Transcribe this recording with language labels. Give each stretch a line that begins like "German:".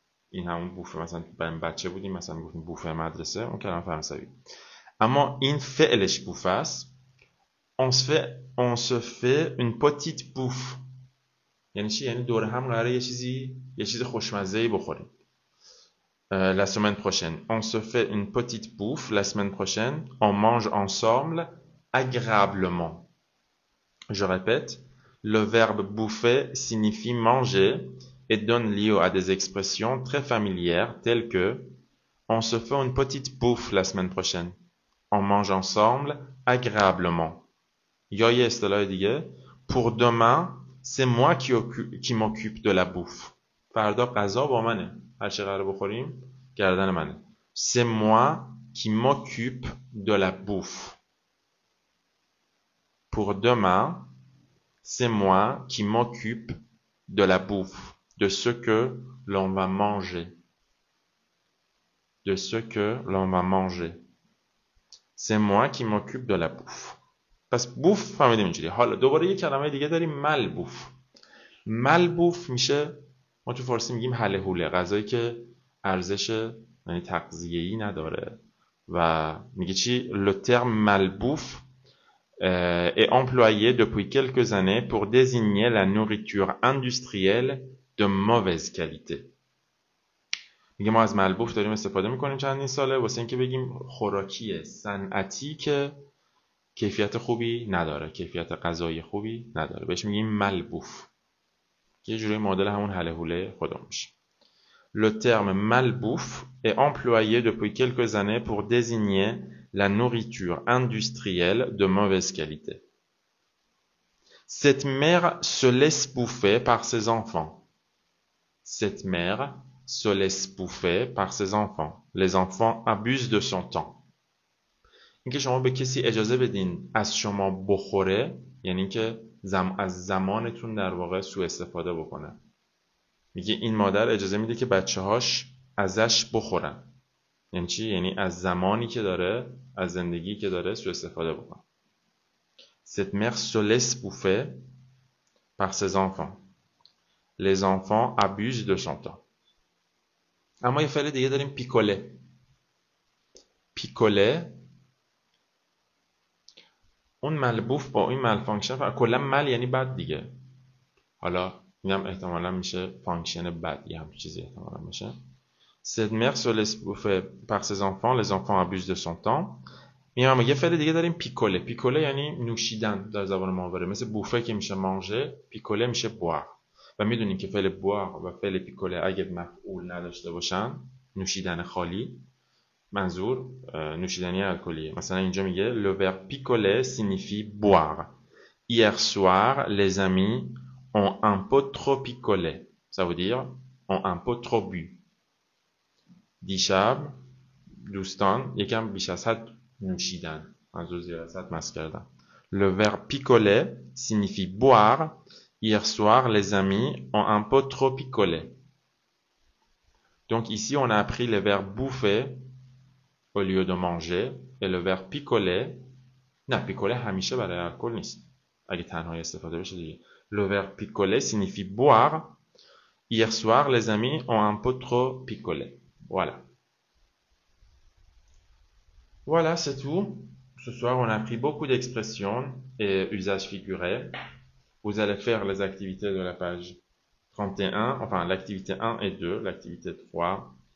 Persian: این همون بوفه مثلا من بچه بودیم مثلا میگفتیم بوفه مدرسه اون کلام فرانسوی اما این فعلش بوفه است اون سوفه اون پتیت بوف یعنی چی؟ یعنی دور هم قراره یه چیز خوشمزه ای بخوریم.
French: La semaine prochaine, on se fait une petite bouffe la semaine prochaine, on mange ensemble agréablement. Je répète, le verbe bouffer signifie manger et donne lieu à des expressions très familières telles que on se fait une petite bouffe la semaine prochaine, on mange ensemble agréablement.
Persian: یا اصطلاح دیگه
French: pour demain C'est moi qui m'occupe de la bouffe.
Persian: فردا غذا با منه. هر چه قرار بخوریم گردن منه.
French: C'est moi qui m'occupe de la bouffe. Pour demain, c'est moi qui m'occupe de la bouffe. De ce que l'on va manger. De ce que l'on va manger. C'est moi qui m'occupe de la bouffe.
Persian: پس بوف فهمیدیم اینجوری. حالا دوباره یه کلمه دیگه داریم، مل بوف. مل بوف میشه، ما تو فارسی میگیم حله حوله، غذایی که ارزش یعنی تغذیه‌ای نداره. و میگه چی؟
French: لو ترم مل بوف est employé depuis quelques années pour désigner la nourriture industrielle de mauvaise qualité.
Persian: میگه ما از مل بوف داریم استفاده میکنیم چندین ساله واسه اینکه بگیم خوراکی صنعتی که کیفیت خوبی نداره، کیفیت غذایی خوبی نداره، بهش میگیم ملبوف. یه جوری معادل همون هله هوله خودمون میشه.
French: Le terme malbouffe est employé depuis quelques années pour désigner la nourriture industrielle de mauvaise qualité. Cette mère se laisse bouffer par ses enfants. Cette mère se laisse bouffer par ses enfants. Les enfants abusent de son temps.
Persian: اینکه شما به کسی اجازه بدین از شما بخوره، یعنی که از زمانتون در واقع سوء استفاده بکنه. میگه این مادر اجازه میده که بچه هاش ازش بخورن. یعنی چی؟ یعنی از زمانی که داره، از زندگی که داره سوء استفاده بکنه.
French: Cette mère se laisse bouffer par ses enfants. Les enfants abusent de son temps.
Persian: اما یه فعل دیگه داریم، پیکوله. پیکوله اون ملبوف با این مل فانکشن فرق، کلا مل یعنی بد دیگه. حالا اینم احتمالا میشه فانکشن بد یا همچین چیزی احتمالا میشه.
French: سد مر سو لس بوف پار سز انفان، لز انفان ابوز دو سون تام.
Persian: میگم اما یه فعل دیگه داریم، پیکوله. پیکوله یعنی نوشیدن در زبان ماوره، مثل بوفه که میشه مانژه، پیکوله میشه بوار. و میدونین که فعل بوار و فعل پیکوله اگه مفعول نداشته باشن، نوشیدن خالی، منظور نوشیدنی الکلیه. مثلا اینجا میگه
French: le verbe picoler signifie boire. Hier soir, les amis ont un peu trop picolé. Ça veut dire ont un peu trop bu.
Persian: دیشب دوستان یکم بیش از حد نوشیدن. منظور زیر از حد مست کردن.
French: Le verbe picoler signifie boire. Hier soir, les amis ont un peu trop picolé. Donc ici, on a appris le verbe bouffer au lieu de manger et le verbe picoler.
Persian: Non, picoler همیشه برای الکل نیست، اگه تنهایی استفاده بشه دیگه.
French: Le verbe picoler signifie boire. Hier soir les amis ont un peu trop picolé. Voilà. Voilà, c'est tout. Ce soir on a appris beaucoup d'expressions et usages figurés. Vous allez faire les activités de la page 31, enfin l'activité 1 et 2, l'activité 3.